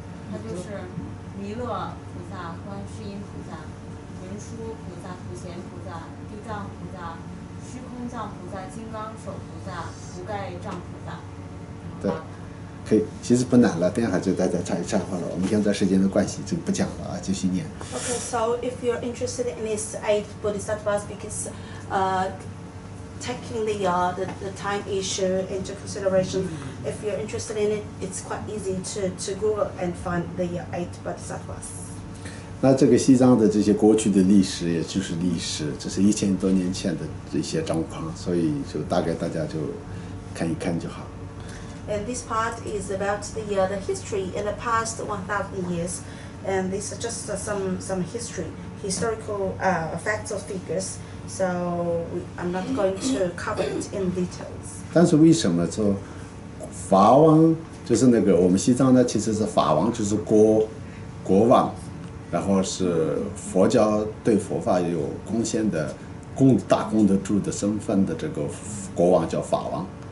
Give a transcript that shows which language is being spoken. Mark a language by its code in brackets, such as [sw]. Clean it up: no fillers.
[zh] 他就是弥勒菩萨、观世音菩萨、文殊菩萨、普贤菩萨、地藏菩萨、虚空藏菩萨、金刚手菩萨、初盖章菩萨。对。可以，其实不难了，等一下就大家查一查好了。我们现在时间的关系，这个不讲了啊，继续念。 [en] Okay, so if you're interested in these eight bodhisattvas, because, taking the time issue into consideration, if you're interested in it, it's quite easy to Google and find the eight bodhisattvas. [zh] 那这个西藏的这些过去的历史，也就是历史，这是一千多年前的这些状况，所以就大概大家就看一看就好。 [en] And this part is about the history in the past 1,000 years, and this is just some historical facts or figures. So I'm not going to cover it in details. [zh] 但是为什么说法王就是那个我们西藏呢？其实是法王就是国王，然后是佛教对佛法有贡献的大功德主的身份的这个国王叫法王。